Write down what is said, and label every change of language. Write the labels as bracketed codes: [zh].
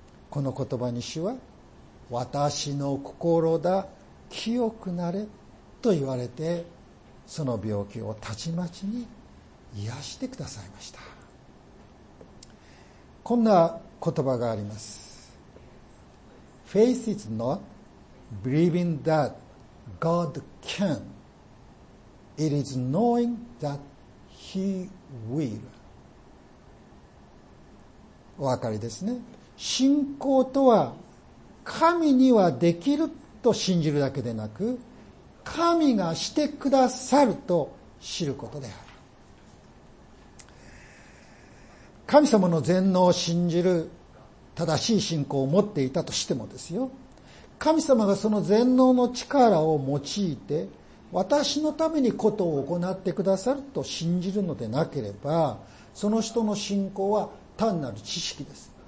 [ja] この言葉に主は、私の心だ、清くなれと言われて、その病気をたちまちに癒してくださいました。こんな言葉があります。 [en] Faith is not believing that God can, it is knowing that He will. [ja] お分かりですね。信仰とは神にはできると信じるだけでなく、神がしてくださると知ることである。神様の全能を信じる正しい信仰を持っていたとしてもですよ、神様がその全能の力を用いて私のためにことを行ってくださると信じるのでなければ、その人の信仰は単なる知識です。